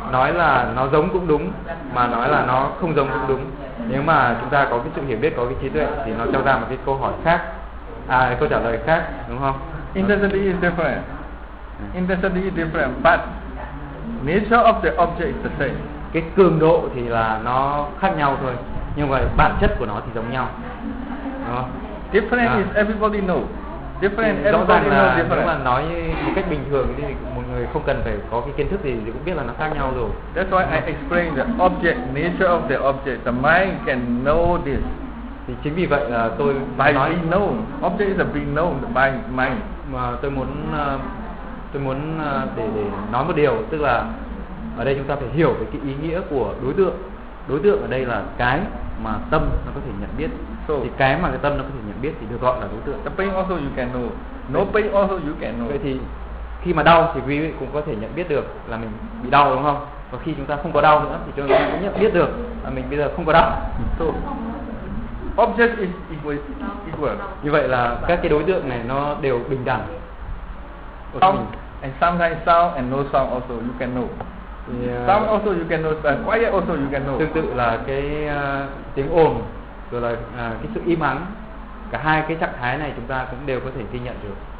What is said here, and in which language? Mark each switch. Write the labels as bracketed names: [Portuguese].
[Vietnamese] Nói là nó giống cũng đúng, mà nói là nó không giống cũng đúng. Nếu mà chúng ta có cái sự hiểu biết, có cái trí tuệ thì nó cho ra một cái câu hỏi khác, câu trả lời khác, đúng không? [English] Intensity is different. Intensity is different, but nature of the object is the same. [Vietnamese] Cái cường độ thì là nó khác nhau thôi, nhưng mà bản chất của nó thì giống nhau, đúng không? [English] Different is everybody know. Different, [Vietnamese] rõ ràng là nếu mà nói một cách bình thường thì một người không cần phải có cái kiến thức gì thì cũng biết là nó khác nhau rồi. [English] That's why I explain the object, nature of the object. The mind can know this. [Vietnamese] Thì chính vì vậy tôi [English] by [Vietnamese] nói [English] being known. Object is a being known by mind. [Vietnamese] Mà tôi muốn để nói một điều, tức là ở đây chúng ta phải hiểu về cái ý nghĩa của đối tượng. Đối tượng ở đây là cái mà tâm nó có thể nhận biết. [English] So, [Vietnamese] thì cái mà cái tâm nó có thể nhận biết thì được gọi là đối tượng. [English] The pain also you can know. No pain also you can know. [Vietnamese] Vậy thì khi mà đau thì quý vị cũng có thể nhận biết được là mình bị đau, đúng không? Và khi chúng ta không có đau nữa thì chúng ta cũng nhận biết được là mình bây giờ không có đau. [English] So, object is equal. [Vietnamese] Như vậy là các cái đối tượng này nó đều bình đẳng. [English] And sometimes sound and no sound also you can know. Sound also you can know, quiet also you can know. [Vietnamese] Tương tự là cái tiếng ồn rồi là cái sự im ắng, cả hai cái trạng thái này chúng ta cũng đều có thể ghi nhận được.